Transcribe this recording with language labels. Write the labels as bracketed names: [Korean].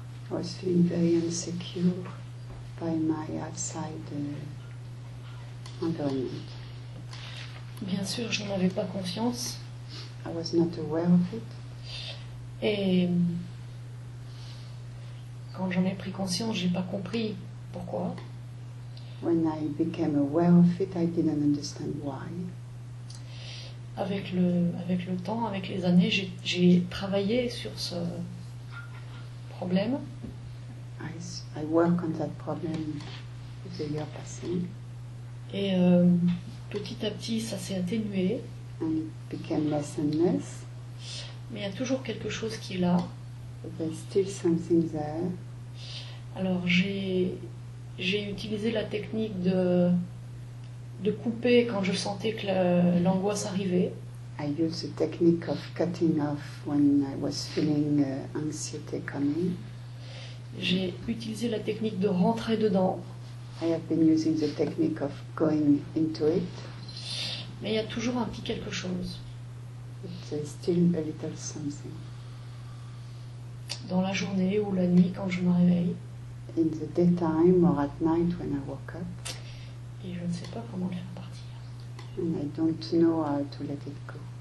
[English] I was feeling very insecure by my outside environment. [French] Bien sûr, je n'avais pas conscience. [English] I was not aware of it. [French] Et quand j'en ai pris conscience, j'ai pas compris pourquoi. [English] When I became aware of it, I didn't understand why. [French] Avec le temps, avec les années, j'ai travaillé sur ce problème. [English] I work on that problem with the year passing. [French] Et petit à petit, ça s'est atténué. [English] And it became less and less. [French] Mais il y a toujours quelque chose qui est là. [English] But there's still something there. [French] Alors j'ai utilisé la technique de couper quand je sentais que l'angoisse arrivait. [English] I used the technique of cutting off when I was feeling anxiety coming. [French] J'ai utilisé la technique de rentrer dedans. [English] I have been using the technique of going into it. [French] Mais il y a toujours un petit quelque chose. [English] But there's still a little something. [French] Dans la journée ou la nuit quand je me réveille. [English] In the daytime or at night when I woke up. [French] Et je ne sais pas comment le faire partir. [English] And I don't know how to let it go.